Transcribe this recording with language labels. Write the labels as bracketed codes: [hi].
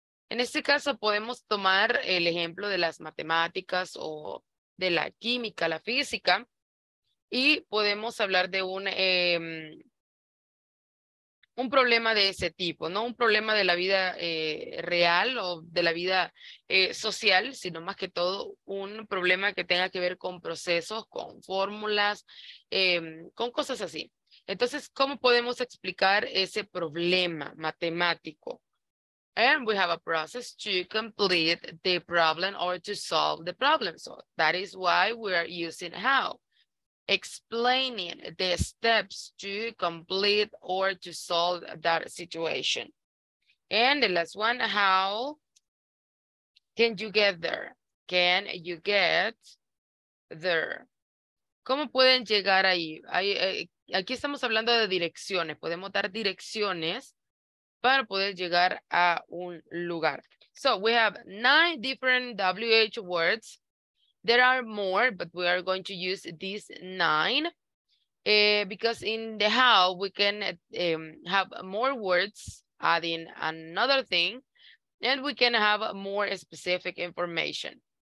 [es] En este caso, podemos tomar el ejemplo de las matemáticas o de la química, la física, y podemos hablar de un problema de ese tipo, no un problema de la vida real o de la vida social, sino más que todo un problema que tenga que ver con procesos, con fórmulas, con cosas así. Entonces, ¿cómo podemos explicar ese problema matemático? [en] And we have a process to complete the problem or to solve the problem. So that is why we are using how. Explaining the steps to complete or to solve that situation. And the last one, how can you get there? Can you get there? [es] ¿Cómo pueden llegar ahí? Aquí estamos hablando de direcciones. Podemos dar direcciones para poder llegar a un lugar. [en] So we have 9 different WH words. There are more, but we are going to use these 9 because in the how, we can have more words adding another thing, and we can have more specific information.